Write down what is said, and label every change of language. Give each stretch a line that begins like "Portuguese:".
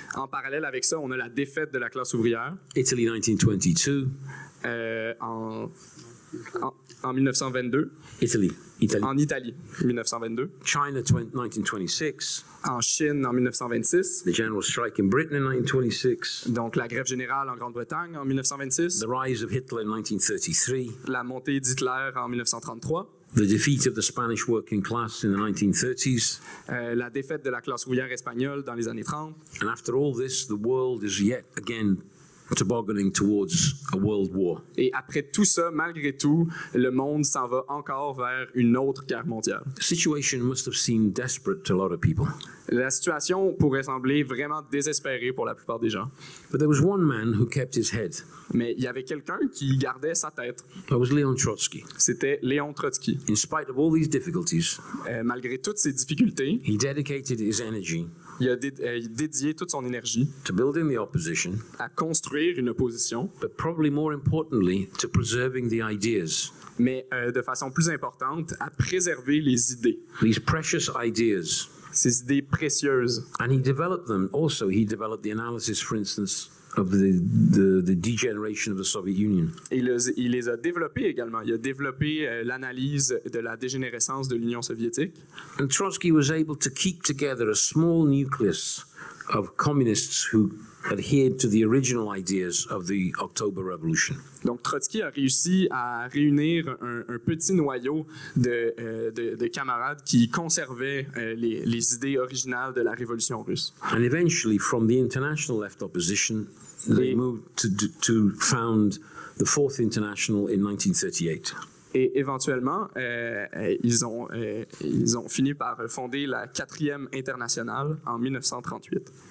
French: En parallèle avec ça, on a la défaite de la classe ouvrière.
English: Italy 1922.
French: En 1922.
English: Italy. Italy.
French: En Italie, 1922.
English: China 1926.
French: En Chine, en 1926.
English: The general strike in Britain in 1926.
French: Donc, la grève générale en Grande-Bretagne en 1926.
English: The rise of Hitler in 1933.
French: La montée d'Hitler en 1933.
English: The defeat of the Spanish working class in the 1930s.
French: La défaite de la classe ouvrière espagnole dans les années 30.
English: And after all this, the world is yet again tobogganing towards a world war.
French: Et après tout ça, malgré tout, le monde s'en va encore vers une autre guerre mondiale.
English: The situation must have seemed desperate to a lot of people.
French: La situation pourrait sembler vraiment désespérée pour la plupart des gens.
English: But there was one man who kept his head.
French: Mais il y avait quelqu'un qui gardait sa tête.
English: That was Leon Trotsky.
French: C'était Léon Trotsky.
English: In spite of all these difficulties,
French: malgré toutes ces difficultés,
English: he dedicated his energy.
French: Il a dédié toute son énergie
English: to building the opposition,
French: à construire une opposition,
English: but probably more importantly, to preserving the ideas.
French: Mais de façon plus importante, à préserver les idées.
English: These precious ideas.
French: Ces idées précieuses.
English: And he developed them also. He developed the analysis, for instance, of the degeneration of the Soviet Union.
French: Il les a développés également. Il a développé l'analyse de la dégénérescence de l'Union soviétique.
English: And Trotsky was able to keep together a small nucleus of communists who adhered to the original ideas of the October Revolution.
French: Donc Trotsky a réussi à réunir un petit noyau de camarades qui conservaient les idées originales de la révolution russe.
English: And eventually, from the international left opposition, they moved to found the Fourth International in 1938.
French: Et éventuellement, ils ont fini par fonder la quatrième internationale en 1938.